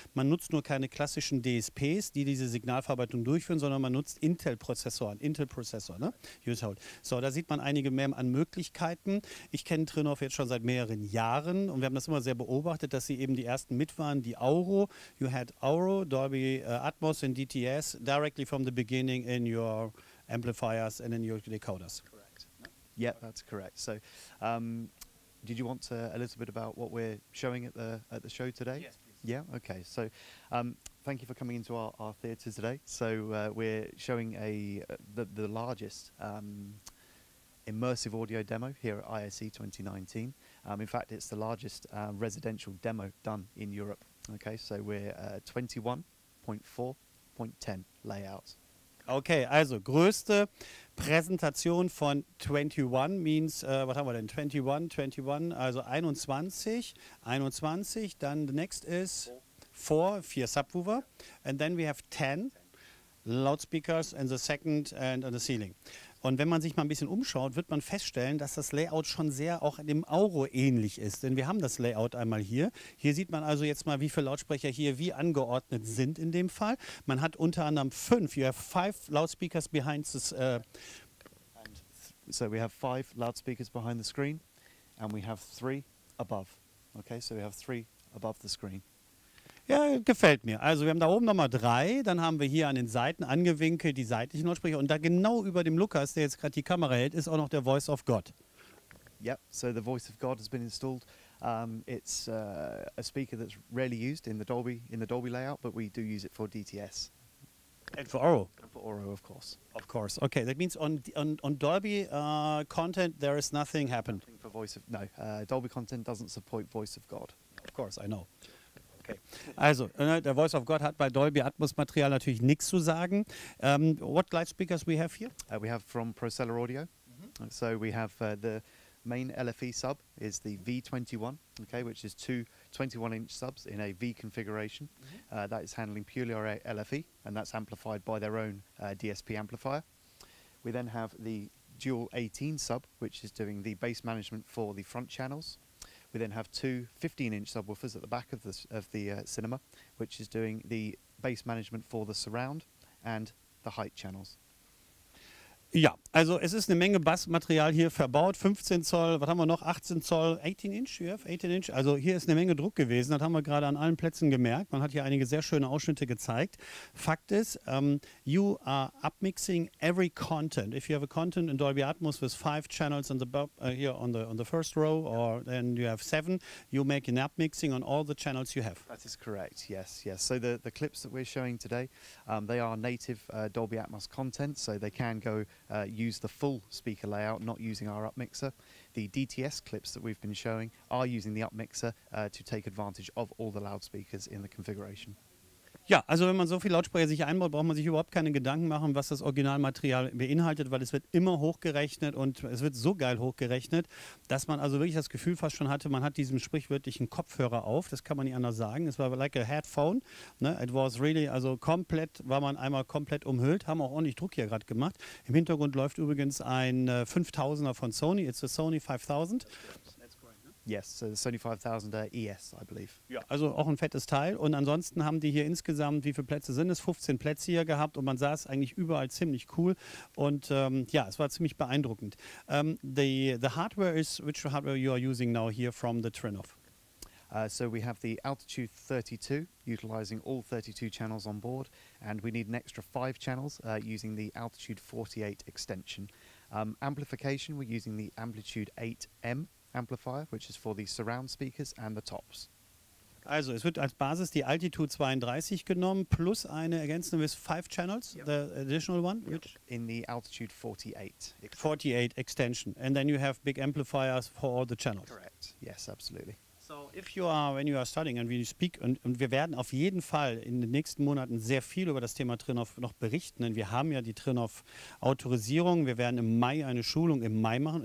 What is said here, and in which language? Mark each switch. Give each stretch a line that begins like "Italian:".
German: Man nutzt nur keine klassischen DSPs, die diese Signalverarbeitung durchführen, sondern man nutzt Intel-Prozessoren, ne? Household. So, da sieht man einige mehr an Möglichkeiten. Ich kenne Trinnoff jetzt schon seit mehreren Jahren und wir haben das immer sehr beobachtet, dass sie eben die ersten mit waren, die Auro.
English: You had Auro, Dolby Atmos and DTS directly from the beginning in your amplifiers and in your decoders. Correct. No? Yeah, that's correct. So, did you want to a little bit about what we're showing at the show today? Yes, please. Yeah, okay. So, thank you for coming into our theater today. So, we're showing the largest immersive audio demo here at ISE 2019. In fact, it's the largest residential demo done in Europe. Okay, so we're 21.4.10 layout.
German: Okay, also größte Präsentation von 21
English: means, what
German: haben wir denn?
English: 21,
German: also 21, dann
English: the next is 4 subwoofer, and then we have 10 loudspeakers and the second and on the ceiling.
German: Und wenn man sich mal ein bisschen umschaut, wird man feststellen, dass das Layout schon sehr auch dem Auro ähnlich ist. Denn wir haben das Layout einmal hier. Hier sieht man also jetzt mal, wie viele Lautsprecher hier wie angeordnet sind in dem Fall. Man hat unter anderem 5,
English: you have 5 loudspeakers behind this. So we have 5 loudspeakers behind the screen and we have 3 above. Okay, so we have 3 above the screen.
German: Ja, gefällt mir. Also wir haben da oben nochmal 3, dann haben wir hier an den Seiten angewinkelt die seitlichen Lautsprecher und da genau über dem Lukas, der jetzt gerade die Kamera hält, ist auch noch der Voice of God.
English: Yep, so the Voice of God has been installed. It's a speaker that's rarely used in the Dolby layout, but we do use it for DTS. And for Auro? And for Auro, of course. Of course. Okay, that means on Dolby content there is nothing happened. Nothing for Dolby content doesn't support Voice of God. Of course, I know. Okay.
German: Also, the voice of God hat bei Dolby Atmos Material natürlich nichts zu sagen.
English: What light speakers we have here? We have from Procellar Audio. Mm-hmm. So we have the main LFE sub is the V21, okay, which is two 21-inch subs in a V configuration. Mm-hmm. That is handling purely our LFE, and that's amplified by their own DSP amplifier. We then have the dual 18 sub, which is doing the bass management for the front channels. We then have two 15-inch subwoofers at the back of the cinema, which is doing the bass management for the surround and the height channels.
German: Ja, also es ist eine Menge Bassmaterial hier verbaut, 15 Zoll, was haben wir noch, 18 Zoll, 18 Inch, ja, 18 Inch, also hier ist eine Menge Druck gewesen, das haben wir gerade an allen Plätzen gemerkt, man hat hier einige sehr schöne Ausschnitte gezeigt. Fakt ist,
English: you are upmixing every content, if you have a content in Dolby Atmos with 5 channels on the here on the first row, or then you have 7, you make an upmixing on all the channels you have. That is correct, yes. So the clips that we're showing today, they are native Dolby Atmos content, so they can go use the full speaker layout, not using our upmixer. The DTS clips that we've been showing are using the upmixer to take advantage of all the loudspeakers in the configuration.
German: Ja, also wenn man so viele Lautsprecher sich einbaut, braucht man sich überhaupt keine Gedanken machen, was das Originalmaterial beinhaltet, weil es wird immer hochgerechnet und es wird so geil hochgerechnet, dass man also wirklich das Gefühl fast schon hatte, man hat diesen sprichwörtlichen Kopfhörer auf, das kann man nicht anders sagen, es war
English: like a headphone,
German: ne?
English: It was really,
German: also komplett, war man einmal komplett umhüllt, haben auch ordentlich Druck hier gerade gemacht. Im Hintergrund läuft übrigens ein 5000er von Sony,
English: it's a Sony 5000. Yes, so the Sony 5000er ES, I believe.
German: Ja, also auch ein fettes Teil. Und ansonsten haben die hier insgesamt, wie viele Plätze sind es? 15 Plätze hier gehabt und man sah es eigentlich überall ziemlich cool. Und ja, es war ziemlich beeindruckend.
English: The hardware is, which hardware you are using now here from the Trinov? So we have the Altitude 32, utilizing all 32 channels on board. And we need an extra 5 channels using the Altitude 48 extension. Amplification, we're using the Amplitude 8M. Amplifier, which is for the surround speakers and the tops.
German: Also, es wird als Basis die Altitude 32 genommen plus eine ergänzende
English: with 5 channels, yep. The additional one, yep. Which in the Altitude 48. 48 extension, and then you have big amplifiers for all the channels. Correct. Yes, absolutely.
German: Und wir werden auf jeden Fall in den nächsten Monaten sehr viel über das Thema Trinov noch berichten, denn wir haben ja die Trinov-Autorisierung. Wir werden im Mai eine Schulung im Mai machen.